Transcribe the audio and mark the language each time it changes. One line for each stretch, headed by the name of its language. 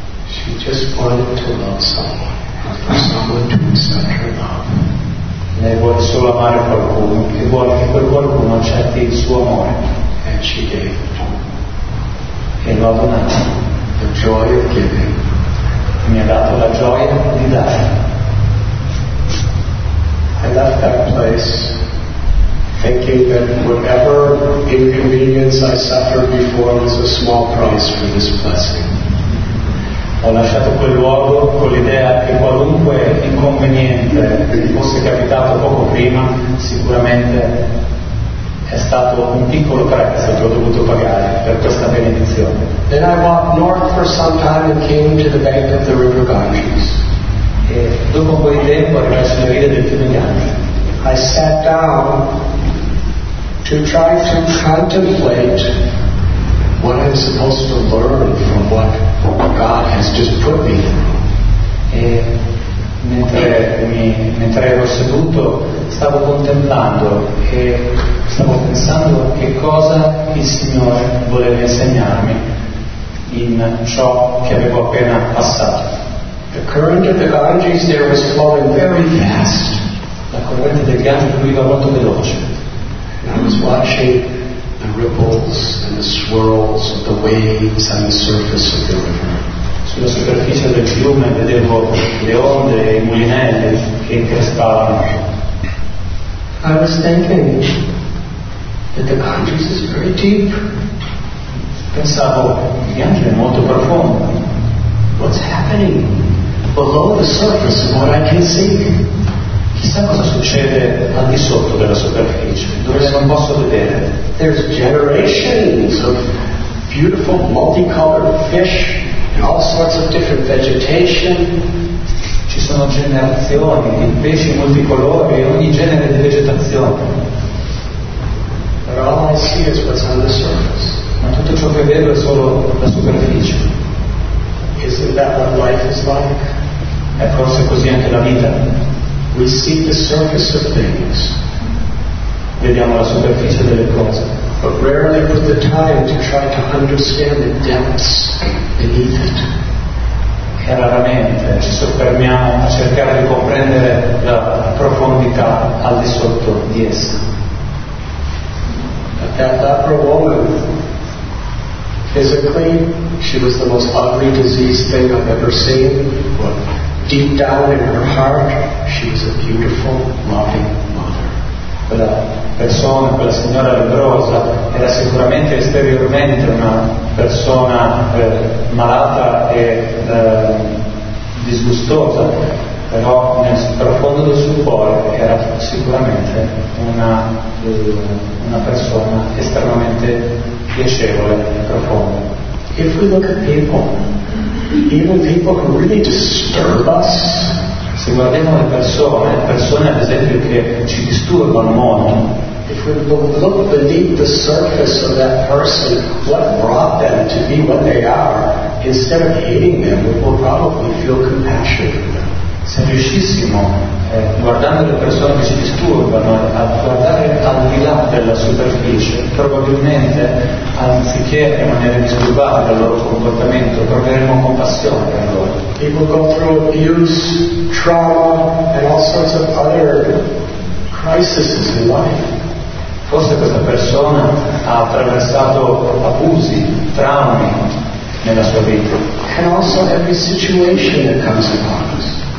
English: She just wanted to love someone, for someone to accept her love.
Italian: Lei vuole solo amare qualcuno, che vuole che quel qualcuno accetti il suo amore.
English: And she gave it.
Italian: E lo ha donato.
English: The joy of giving.
Italian: E mi ha dato la gioia di dare.
English: I left that place thinking that whatever inconvenience I suffered before was a small price for this blessing.
Italian: Ho lasciato quel luogo con l'idea che qualunque inconveniente fosse capitato poco prima, sicuramente è stato un piccolo prezzo che ho dovuto pagare per questa benedizione.
English: Then I walked north for some time and came to the bank of the river Ganges.
Italian: E dopo quel tempo arrivai sulle rive del fiume Ganges.
English: I sat down to try to contemplate what I'm supposed to learn from what God has just put me in.
Italian: E mentre ero seduto stavo contemplando e stavo pensando che cosa il Signore voleva insegnarmi in ciò che avevo appena passato.
English: The current of the Ganges there was flowing very fast.
Italian: La corrente del Ganges fluiva molto veloce.
English: And I was watching the ripples and the swirls of the waves on the surface of the river.
Italian: Sulla superficie del fiume vedevo le onde e i mulinelli che increspavano.
English: I was thinking that the Ganges is very deep.
Italian: Pensavo, il Ganges è molto profondo.
English: What's happening below the surface of what I can see?
Italian: Chissà cosa succede al di sotto della superficie, dove non posso vedere.
English: There's generations of beautiful multicolored fish and all sorts of different vegetation.
Italian: Ci sono generazioni di pesci multicolori e ogni genere di vegetazione.
English: But all I see is what's on the surface.
Italian: Ma tutto ciò che vedo è solo la superficie.
English: Isn't that what life is like?
Italian: È forse così anche la vita.
English: We see the surface of things.
Italian: Vediamo la superficie delle cose.
English: But rarely put the time to try to understand the depths beneath it.
Italian: E raramente ci soffermiamo a cercare di comprendere la profondità al di sotto di essa.
English: But that leper woman, physically, she was the most ugly, diseased thing I've ever seen. But deep down in her heart, she was a beautiful, loving mother.
Italian: Quella persona, quella signora lebrosa, era sicuramente esteriormente una persona malata e disgustosa, però nel profondo del suo cuore era sicuramente una persona estremamente piacevole e profonda.
English: If we look at people, even people who really disturb us,
Italian: se guardiamo le persone ad esempio che ci disturbano molto,
English: if we look beneath the surface of that person, what brought them to be what they are, instead of hating them, we will probably feel compassion for them.
Italian: Se riuscissimo, guardando le persone che ci disturbano, a guardare al di là della superficie, probabilmente, anziché rimanere disturbati dal loro comportamento, proveremo compassione per loro.
English: People go through abuse, trauma, and all sorts of other crises in life.
Italian: Forse questa persona ha attraversato abusi, traumi nella sua vita.
English: And also every situation that comes upon us.